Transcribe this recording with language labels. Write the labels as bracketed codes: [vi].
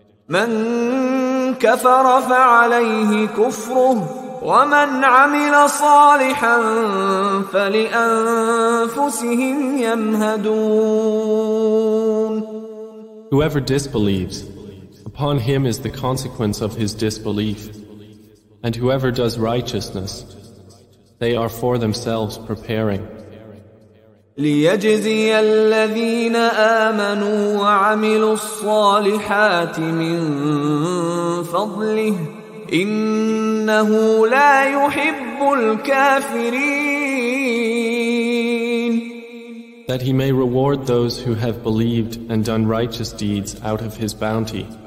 [ar] مَنْ كَفَرَ فَعَلَيْهِ كُفْرُهُ وَمَنْ عَمِلَ صَالِحًا فَلِأَنفُسِهِمْ يَمْهَدُونَ. [en] Whoever disbelieves, upon him is the consequence of his disbelief. And whoever does righteousness, they are for themselves preparing. [ar] ليجزي الذين آمنوا وعملوا الصالحات من فضله إنه لا يحب الكافرين. [en] That he may reward those who have believed and done righteous deeds out of his bounty.